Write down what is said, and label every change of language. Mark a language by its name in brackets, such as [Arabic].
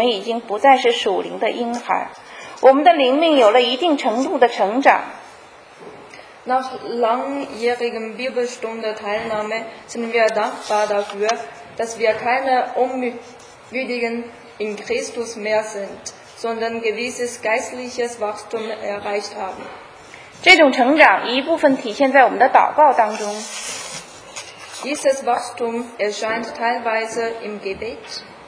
[Chinese] 通过长期的学习和查经，我们可以现在感恩地说，我们已经不再是属灵的婴孩。我们的灵命有了一定程度的成长。 [German] Nach langjährigem Bibelstunde-Teilnahme sind wir dankbar dafür, dass wir keine Unmütigen in Christus mehr sind, sondern gewisses geistliches Wachstum erreicht haben. [Chinese] 这种成长一部分体现在我们的祷告当中。 [German] Dieses Wachstum erscheint teilweise im Gebet.